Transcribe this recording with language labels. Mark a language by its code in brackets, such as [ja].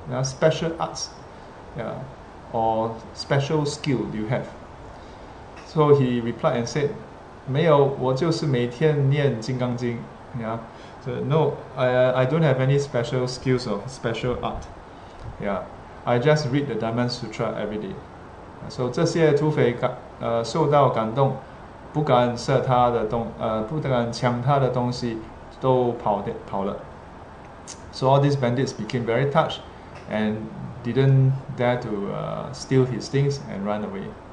[en] Special arts, or special skill do you have?" So he replied and said, [zh] "没有，我就是每天念《金刚经》." [en] So no, I don't have any special skills or special art. I just read the Diamond Sutra every day. [zh] So 这些土匪受到感动。不敢射他的东，不敢抢他的东西，都跑了。 [en] So all these bandits became very touched, and didn't dare to steal his things and run away.